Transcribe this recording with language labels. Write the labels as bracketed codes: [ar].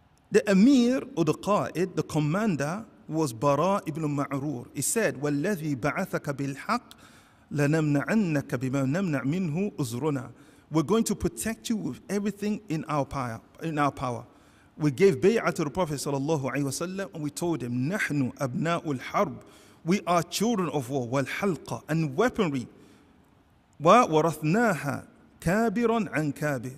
[en] The Amir or the Qa'id, the commander, was Bara ibn Ma'rur. [ar] He said, وَالَّذِي بَعَثَكَ بِالْحَقِّ لَنَمْنَعَنَّكَ بِمَا نَمْنَعْ مِنْهُ أُزْرُنَا. [en] We're going to protect you with everything in our power. We gave bay'ah to the Prophet sallallahu alayhi wa sallam and we told him, [ar] نَحْنُ أَبْنَاءُ الْحَرْبِ. [en] We are children of war, وَالْحَلْقَ, and weaponry. [ar] وَرَثْنَاهَا كَابِرًا عَنْ كَابِرٍ.